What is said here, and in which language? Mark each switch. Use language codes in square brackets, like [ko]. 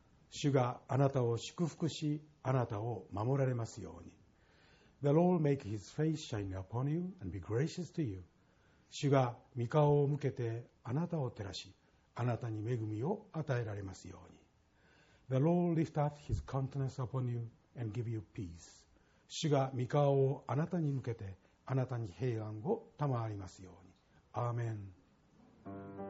[ja] 主があなたを祝福し、あなたを守られますように。 [en] The Lord make his face shine upon you and be gracious to you. [ja] 主が御顔を向けてあなたを照らし、あなたに恵みを与えられますように。 [en] The Lord lift up his countenance upon you and give you peace. [ja] 主が御顔をあなたに向けて、あなたに平安を賜りますように。アーメン。